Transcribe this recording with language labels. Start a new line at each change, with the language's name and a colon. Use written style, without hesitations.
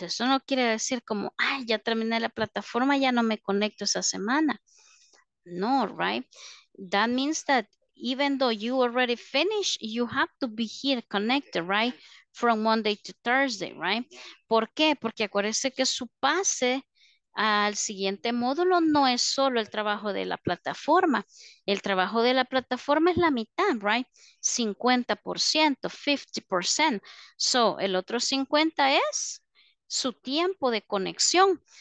Spanish: Eso no quiere decir como, ay, ya terminé la plataforma, ya no me conecto esa semana. No, right?
English: That means that even though you already finished, you have to be here connected, right? From Monday to Thursday, right?
Spanish: ¿Por qué? Porque acuérdese que su pase... Al siguiente módulo no es solo el trabajo de la plataforma. El trabajo de la plataforma es la mitad, right? 50%, 50%. So, el otro 50% es su tiempo de conexión.